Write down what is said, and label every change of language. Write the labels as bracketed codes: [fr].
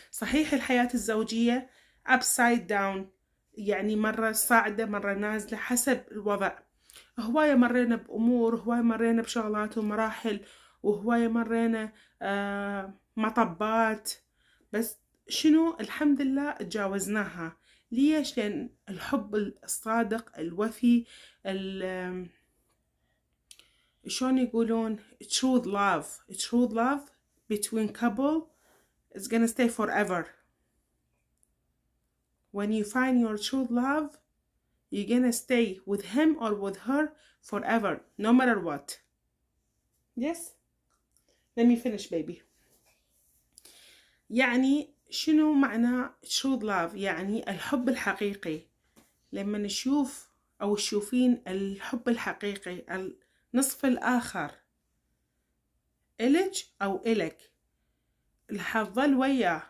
[ar] صحيح الحياة الزوجية [en] upside down، [ar] يعني مرة صاعدة مرة نازلة حسب الوضع. هواية مرينا بأمور، هواية مرينا بشغلات ومراحل، وهواية مرينا مطبات، بس شنو الحمد لله تجاوزناها. ليش؟ لأن الحب الصادق الوفي، شلون يقولون [en] true love between couple is gonna stay forever. When you find your true love, you're gonna stay with him or with her forever, no matter what. Yes? Let me finish, baby. [ar] يعني شنو معنى [en] true love؟ [ar] يعني الحب الحقيقي. لما نشوف أو تشوفين الحب الحقيقي، النصف الآخر إلك أو إلك، حتظل وياه.